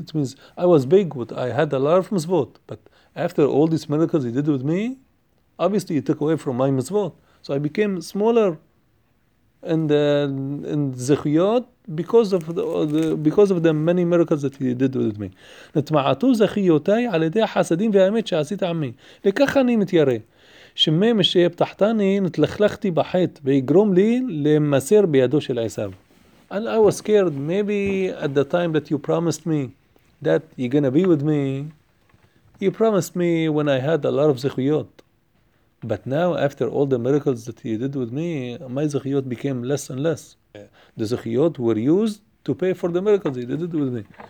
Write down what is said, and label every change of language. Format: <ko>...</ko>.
<en>It means I was big, but I had a lot of mitzvot. But after all these miracles he did with me, obviously he took away from my mitzvot. So I became smaller in zechiyot because of the many miracles that he did with me.</en> <he>נתמעתו זכיותי על ידי החסדים והאמת שעשית עמי. לכך אני מתיירא. שמי משפתחתני נתלכלכתי בחטא ויגרום לי למסר בידו של עשיו.</he> <en>And I was scared, maybe at the time that you promised me that you're going to be with me, you promised me when I had a lot of zechiyot. But now, after all the miracles that he did with me, my zechiyot became less and less. The zechiyot were used to pay for the miracles he did with me.</en>